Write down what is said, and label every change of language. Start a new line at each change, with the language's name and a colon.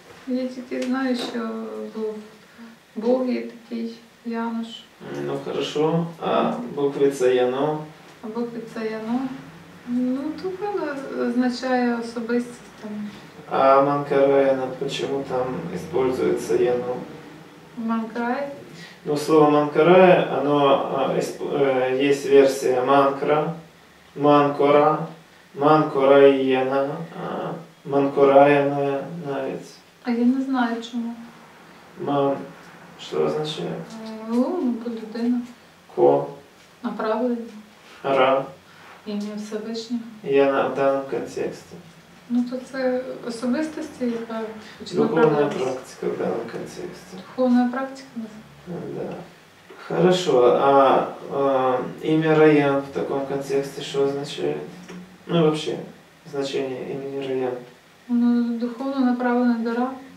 Ukrainian: Я тільки знаю, що був Бог є такий, Януш.
Russian: Ну хорошо. А буквица Яно
Ukrainian: Або підсає, ну, ну, тупо означає особистість там.
Russian: А манкарая, почему там используется яно? Манкарай? Ну, слово манкарая, оно есть версия манкра, манкора, манкураяна, манкураяна, навіть.
Ukrainian: А я не знаю, чому. Ман, що означає? Ну, людина. Ко. Направлення. Ра. Ім'я Всевишнього. Яна в даному контексті. Ну, то це особистості, яка починає. Духовна практика в даному контексті. Духовна практика. Так. Да. Хорошо, а ім'я Раян в такому контексті що означає? Ну, взагалі, значення імені Раян. Ну, духовно направлена до Ра.